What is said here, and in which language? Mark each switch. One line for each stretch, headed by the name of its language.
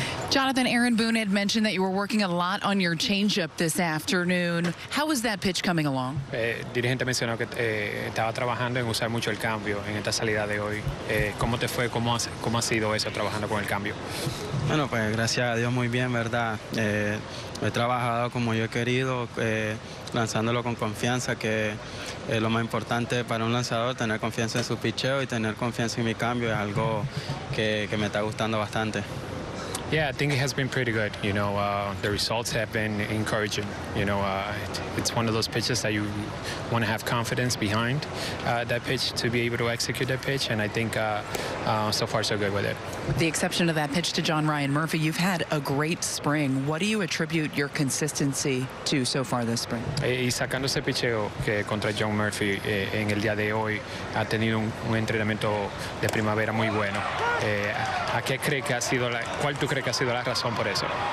English: Jonathan, Aaron Boone had mentioned that you were working a lot on your changeup this afternoon. How was that pitch coming along?
Spanish: Dirigente mencionó que estaba trabajando en usar mucho el cambio en esta salida de hoy. ¿Cómo te fue? ¿Cómo ha sido eso, trabajando con el cambio? Bueno, pues gracias a Dios muy bien, ¿verdad? He trabajado como yo he querido, lanzándolo con confianza, que es lo más importante para un lanzador, tener confianza en su picheo y tener confianza en mi cambio, es algo que me está gustando bastante.
English: Yeah, I think it has been pretty good. You know, the results have been encouraging. You know, it's one of those pitches that you want to have confidence behind that pitch to be able to execute that pitch. And I think so far so good with it. With the exception of that pitch to John Ryan Murphy, you've had a great spring. What do you attribute your consistency to so far this spring?
Spanish: Y sacando ese picheo que contra John Murphy en el día de hoy, ha tenido un entrenamiento de primavera muy bueno. ¿A qué cree que ha sido la, cuál tú crees que ha sido la razón por eso?